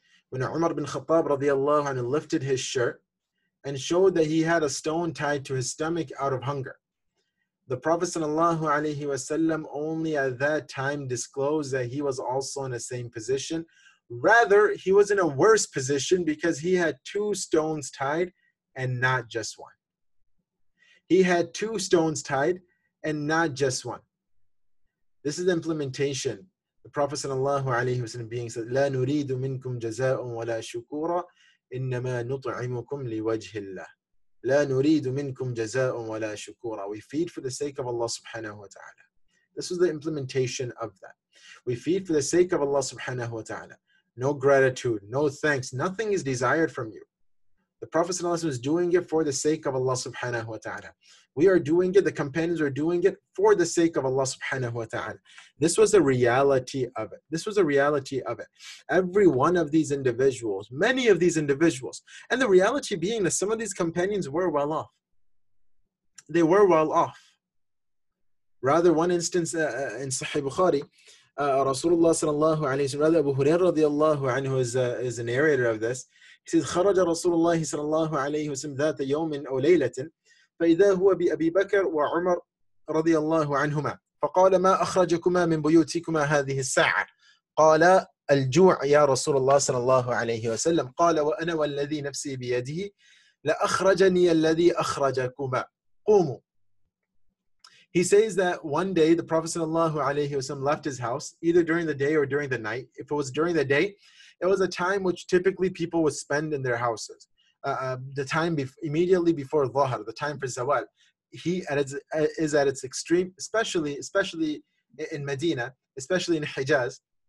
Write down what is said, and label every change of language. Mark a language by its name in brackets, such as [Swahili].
[English] When Umar bin Khattab radiallahu anhu lifted his shirt and showed that he had a stone tied to his stomach out of hunger, the Prophet sallallahu alayhi wa sallam only at that time disclosed that he was also in the same position. Rather, he was in a worse position because he had two stones tied and not just one. He had two stones tied and not just one. This is the implementation. [Arabic] The Prophet sallallahu alayhi wa sallam being said, لَا نُرِيدُ مِنْكُمْ جَزَاءٌ وَلَا شُكُورًا إِنَّمَا نُطْعِمُكُمْ لِوَجْهِ اللَّهِ لَا نُرِيدُ مِنْكُمْ جَزَاءٌ وَلَا شُكُورًا. [English] We feed for the sake of Allah subhanahu wa ta'ala. This was the implementation of that. We feed for the sake of Allah subhanahu wa ta'ala. No gratitude, no thanks, nothing is desired from you. The Prophet ﷺ is doing it for the sake of Allah subhanahu wa ta'ala. We are doing it, the companions are doing it for the sake of Allah subhanahu wa ta'ala. This was the reality of it. This was the reality of it. Every one of these individuals, many of these individuals, and the reality being that some of these companions were well off. They were well off. Rather, one instance in Sahih Bukhari, Rasulullah sallallahu alayhi wa sallam, rather Abu Hurairah radiallahu anhu is a narrator of this. [Arabic] He says, خرج رسول الله صلى الله عليه وسلم ذات يوم أو ليلة فإذا هو بأبي بكر وعمر رضي الله عنهما فقال ما أخرجكما من بيوتكما هذه الساعة قال الجوع يا رسول الله صلى الله عليه وسلم قال وأنا والذي نفسي بيده لأخرجني الذي أخرجكما قوموا. [English] He says that one day the Prophet صلى الله عليه وسلم left his house either during the day or during the night. If it was during the day, it was a time which typically people would spend in their houses. The time immediately before Dhuhr, the time for Zawal, is at its extreme, especially in Medina, especially in Hijaz.